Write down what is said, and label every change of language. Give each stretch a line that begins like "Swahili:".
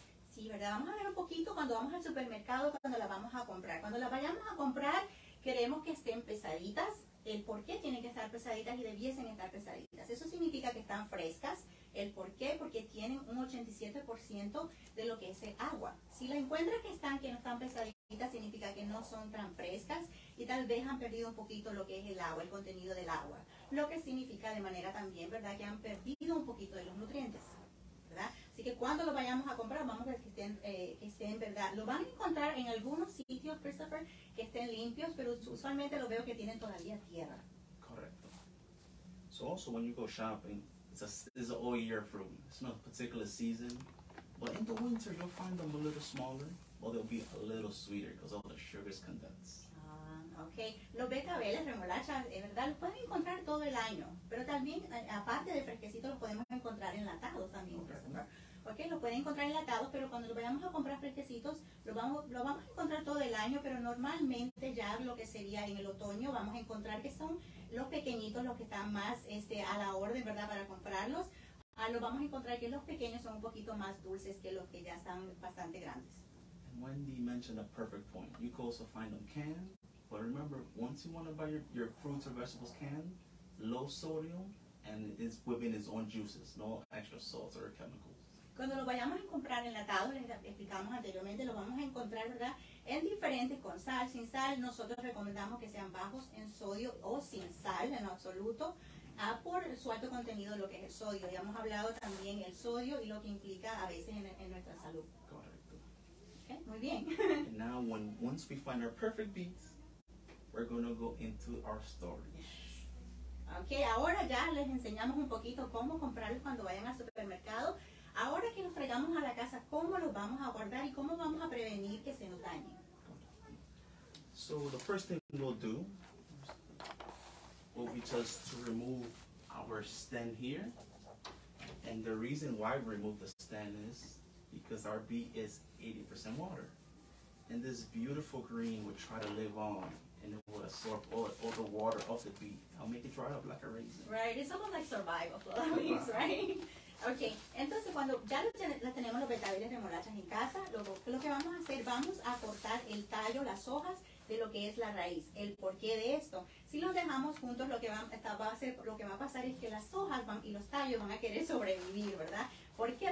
Spanish: Sí, ¿verdad? Vamos a ver un poquito cuando vamos al supermercado, cuando la vamos a comprar. Cuando la vayamos a comprar, queremos que estén pesaditas. El por qué tienen que estar pesaditas y debiesen estar pesaditas. Eso significa que están frescas. El por qué, porque tienen un 87% de lo que es el agua. Si la encuentras que no están pesaditas, significa que no son tan frescas y tal vez han perdido un poquito lo que es el agua, el contenido del agua. Lo que significa de manera también, ¿verdad?, que han perdido olvida un poquito de los nutrientes, ¿verdad? Así que cuando lo vayamos a comprar, vamos a ver que estén, ¿verdad? Lo van a encontrar en algunos sitios, Christopher, que estén limpios, pero usualmente lo veo que tienen todavía tierra. Correcto.
English: So also when you go shopping, it's an all year fruit. It's not a particular season. But in the winter, you'll find them a little smaller, but they'll be a little sweeter because all the sugar is condensed. Okay.
Spanish: Los betabeles, remolacha, es verdad, los pueden encontrar todo el año. Pero también, aparte de fresquecito, los podemos encontrar enlatados también. Okay, los pueden encontrar enlatados, pero cuando los vayamos a comprar fresquecitos, los vamos a encontrar todo el año, pero normalmente ya lo que sería en el otoño, vamos a encontrar que son los pequeñitos los que están más a la orden, ¿verdad?, para comprarlos. Lo vamos a encontrar que los pequeños son un poquito más dulces que los que ya están bastante grandes.
English: And Wendy mentioned a perfect point. You can also find them canned. But remember, once you want to buy your fruits or vegetables canned, low sodium, and it's within its own juices, no extra salts or chemicals.
Spanish: Cuando lo vayamos a comprar enlatado, les explicamos anteriormente, lo vamos a encontrar, ¿verdad?, en diferentes, con sal, sin sal. Nosotros recomendamos que sean bajos en sodio o sin sal en absoluto. Por su alto contenido, lo que es el sodio. Ya hemos hablado también el sodio y lo que implica a veces en nuestra salud. Correcto. Okay, muy bien.
English: And now, once we find our perfect beets, we're going to go into our storage.
Spanish: Okay, ahora ya les enseñamos un poquito cómo comprarlos cuando vayan al supermercado. Ahora que los traigamos a la casa, ¿cómo los vamos a guardar y cómo vamos a prevenir que se nos dañen?
English: So, the first thing we'll do will be just to remove our stand here. And the reason why we remove the stand is because our beet is 80% water. And this beautiful green will try to live on and it will absorb all the water of the beet. I'll make it dry up like a raisin. Right, it's almost like survival for the leaves, right?
Spanish: Okay, entonces cuando ya tenemos los betabeles remolachas en casa, lo que vamos a hacer, vamos a cortar el tallo, las hojas, de lo que es la raíz, el porqué de esto. Si los dejamos juntos, lo que va a pasar es que las hojas y los tallos van a querer sobrevivir, ¿verdad? ¿Por qué?